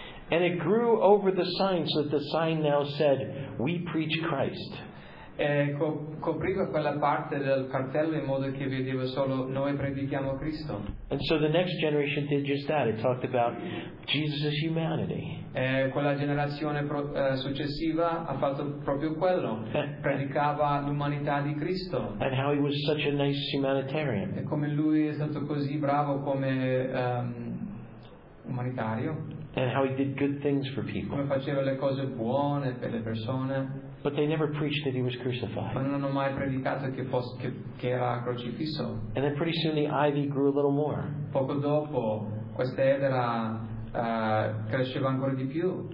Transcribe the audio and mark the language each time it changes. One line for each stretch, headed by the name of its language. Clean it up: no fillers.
English: And it grew over the sign so that the sign now said, "We preach Christ."
Italian: copriva quella parte del cartello in modo che vedeva solo noi predichiamo Cristo.
English: And so the next generation did just that. It talked about Jesus' humanity.
Italian: Quella generazione successiva ha fatto proprio quello. Predicava l'umanità di Cristo.
English: And how he was such a nice humanitarian.
Italian: E come lui è stato così bravo come umanitario.
English: And how he did good things for people.
Italian: Come faceva le cose buone per le persone.
English: But they never preached that he was crucified.
Italian: Ma non hanno mai predicato che fosse che era crocifisso.
English: And then pretty soon the ivy grew a little more.
Italian: Poco dopo questa edera cresceva ancora di più.